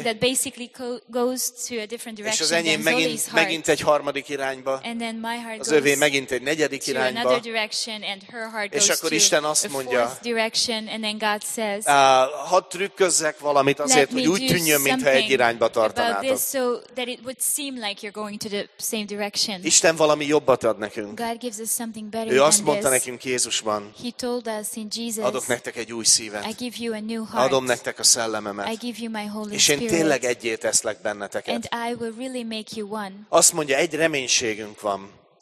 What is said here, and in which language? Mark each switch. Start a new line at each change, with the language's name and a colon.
English: That basically goes to a different direction.
Hungarian: És az enyém megint egy harmadik irányba.
English: And then my heart
Hungarian: az övé megint egy negyedik irányba.
English: Another direction and her heart
Hungarian: és akkor Isten azt mondja.
English: Direction and then God says.
Hungarian: Hadd trükközzek valamit azért, hogy úgy tűnjön, mintha egy irányba tartanátok.
English: About this so that it would seem like you're going to the same direction.
Hungarian: Isten valami jobbat ad nekünk.
English: God gives us something better
Hungarian: ő
English: than
Hungarian: azt mondta
English: this.
Hungarian: Nekünk Jézusban.
English: He told us in Jesus.
Hungarian: Adok nektek egy új szívet.
English: I give you a new heart.
Hungarian: Adom nektek a szellememet.
English: I give you my Holy
Hungarian: Spirit. És én tényleg egyé teszlek benneteket.
English: And I will really make you one.
Hungarian: Azt mondja, egy reménységünk van.